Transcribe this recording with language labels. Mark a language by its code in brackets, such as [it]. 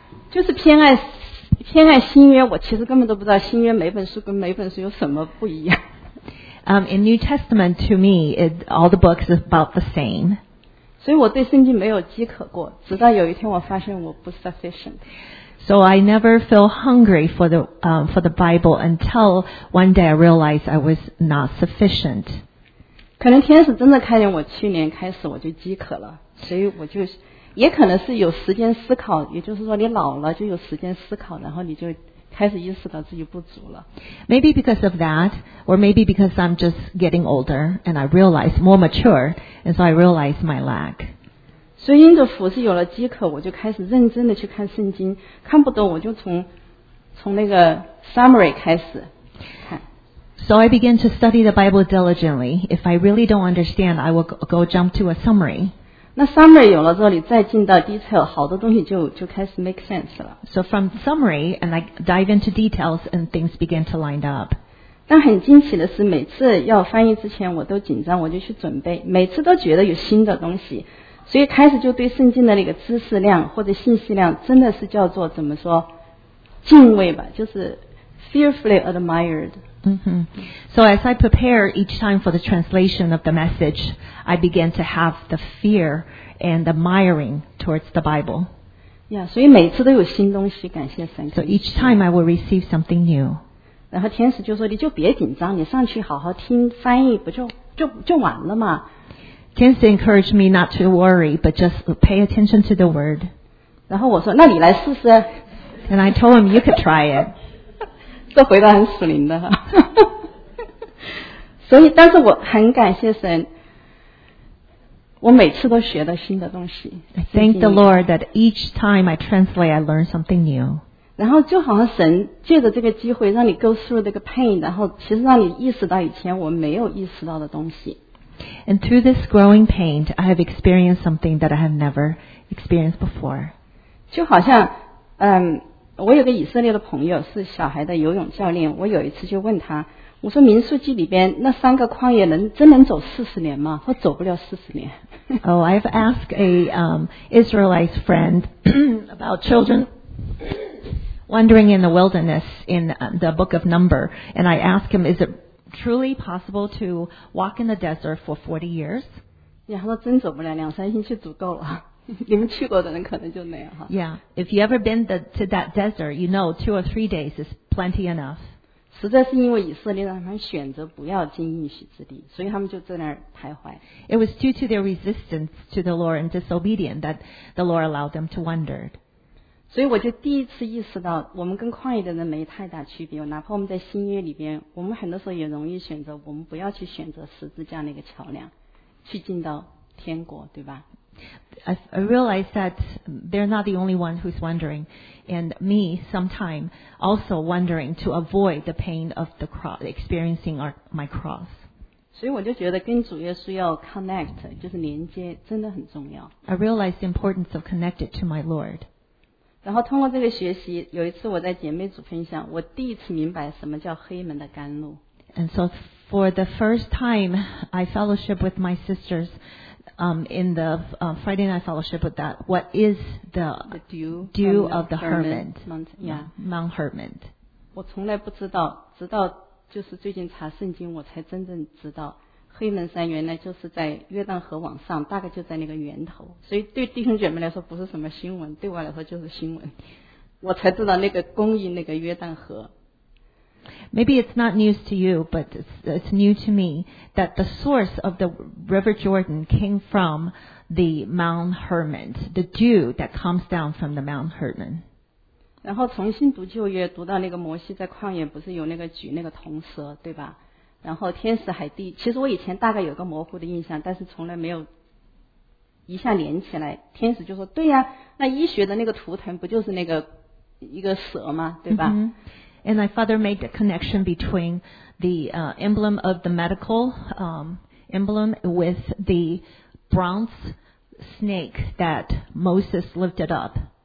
[zh] 就是偏爱新约，我其实根本都不知道新约每本书跟每本书有什么不一样。 [en] In New Testament, to me, all the books are about the same. [zh] 所以我对圣经没有饥渴过，直到有一天我发现我不 [en] sufficient。 So I never feel hungry for the Bible until one day I realized I was not sufficient. [zh] 可能天使真的看见我去年开始我就饥渴了，所以我就。也可能是有时间思考，也就是说你老了就有时间思考，然后你就开始意识到自己不足了。 [en] Maybe because of that, or maybe because I'm just getting older and I realize more mature, and so I realize my lack. [zh] 所以因着服事有了饥渴，我就开始认真的去看圣经，看不懂我就从那个 summary 开始看。 [en] So I began to study the Bible diligently. If I really don't understand, I will go jump to a summary. [zh] 那 summary 有了之后，你再进到 detail， 好多东西就开始 [en] make sense [zh] 了。 [en] So from summary and I dive into details and things begin to line up. [zh] 但很惊奇的是，每次要翻译之前我都紧张，我就去准备，每次都觉得有新的东西，所以开始就对圣经的那个知识量或者信息量真的是叫做怎么说，敬畏吧，就是 [en] fearfully admired。 So as I prepare each time for the translation of the message, I began to have the fear and admiring towards the Bible. Yeah, [zh] 所以每次都有新东西，感谢神。 [en] So each time I will receive something new. [zh] 然后天使就说，你就别紧张，你上去好好听翻译，不就完了吗？ [en] 天使 encouraged me not to worry, but just pay attention to the word. [zh] 然后我说，那你来试试。 [en] And I told him, you could try it. [zh] 这回答很属灵的，所以，但是我很感谢神，我每次都学到新的东西。 [en] I thank the Lord that each time I translate, I learn something new. [zh] 然后就好像神借着这个机会让你 [en] go through [zh] 这个 pain， 然后其实让你意识到以前我没有意识到的东西。 [en] And through this growing pain, I have experienced something that I have never experienced before. [zh] 就好像，我有个以色列的朋友是小孩的游泳教练，我有一次就问他，我说《民数记》里边那三个旷野人真能走四十年吗？他走不了四十年。 [en] Oh, I've asked a Israelite friend about children wandering in the wilderness in the book of Number, and I asked him, is it truly possible to walk in the desert for 40 years? Yeah, [zh] 他说真走不了，两三星期足够了。你们去过的人可能就那样哈。 [en] Yeah, if you ever been to that desert, you know 2 or 3 days is plenty enough. [zh] 实在是因为以色列人他们选择不要进应许之地，所以他们就在那儿徘徊。 [en] It was due to their resistance to the Lord and disobedience that the Lord allowed them to wander. [zh] 所以我就第一次意识到，我们跟旷野的人没太大区别。哪怕我们在新约里边，我们很多时候也容易选择，我们不要去选择十字架那个桥梁，去进到天国，对吧？ [en] I realized that they're not the only one who's wondering, and me sometime also wondering to avoid the pain of the cross, experiencing my cross. [zh] 所以我就觉得跟主耶稣要 [en] connect, [zh] 就是连接真的很重要。 [en] I realized the importance of connected to my Lord. [zh] 然后通过这个学习，有一次我在姐妹组分享，我第一次明白什么叫黑门的甘露。 [en] And so for the first time, I fellowship with my sisters,in the Friday Night Fellowship with that, what is the dew of the Hermit, Mount Hermit. [zh] 我从来不知道，直到就是最近查圣经，我才真正知道黑门山原来就是在约旦河往上，大概就在那个源头。所以对弟兄姐妹来说不是什么新闻，对我来说就是新闻。我才知道那个供应那个约旦河。 [en] Maybe it's not news to you, but it's new to me that the source of the River Jordan came from the Mount Hermon, the dew that comes down from the Mount Hermon. [zh] 然后重新读旧约，读到那个摩西在旷野不是有那个举那个铜蛇，对吧？然后天使海地，其实我以前大概有个模糊的印象，但是从来没有一下连起来。天使就说：“对呀，那医学的那个图腾不就是那个一个蛇吗？对吧？” mm-hmm. [en] And my father made the connection between the emblem of the medical emblem with the bronze snake that Moses lifted up.